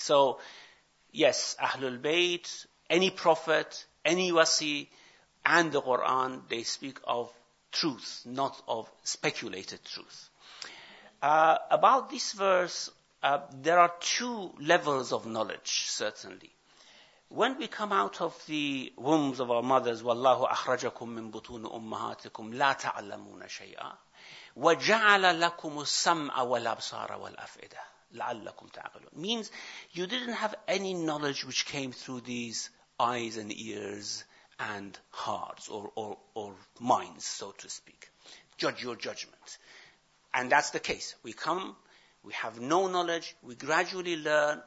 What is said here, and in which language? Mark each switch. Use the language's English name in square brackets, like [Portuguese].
[English] So, yes, Ahlul Bayt, any prophet, any wasi, and the Quran, they speak of truth, not of speculated truth. About this verse, there are two levels of knowledge, certainly. When we come out of the wombs of our mothers, [Arabic] وَاللَّهُ أَخْرَجَكُمْ مِنْ بُطُونُ أُمَّهَاتِكُمْ لَا تَعْلَمُونَ شَيْئًا وَجَعَلَ لَكُمُ السَّمْعَ وَالْأَبْصَارَ وَالْأَفْئِدَةَ لَعَلَّكُمْ تَعْقِلُونَ. [English] Means you didn't have any knowledge which came through these eyes and ears and hearts or minds, so to speak. Judge your judgment. And that's the case. We come, we have no knowledge, we gradually learn.